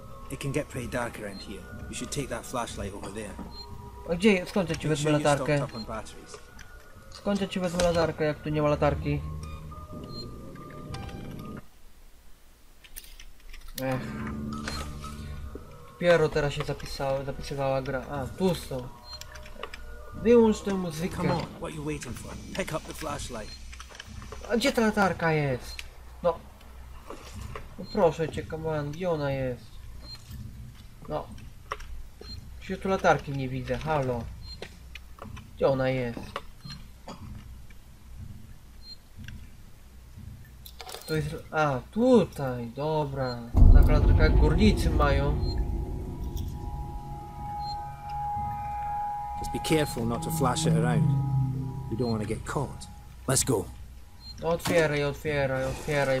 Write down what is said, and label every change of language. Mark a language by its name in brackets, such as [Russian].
[English] It can get pretty dark around here. You should take that flashlight over there. [Polish] A gdzie? Skąd ja ci wezmę latarkę? Skąd ja ci wezmę latarkę, jak tu nie ma latarki? Ech. Dopiero teraz się zapisywała gra. A, tu są. Wyłącz tę muzykę. [English] Come on, what you waiting for? Pick up the flashlight. [Polish] A gdzie ta latarka jest? No. No proszę cię, [English] come on, [Polish] gdzie ona jest? No. Przecież tu latarki nie widzę, halo. Gdzie ona jest? To jest... A, tutaj, dobra. Taka latarka jak górnicy mają. [English] Just be careful not to flash it around. You don't want to get caught. Let's go. [Polish] Otwieraj, otwieraj, otwieraj.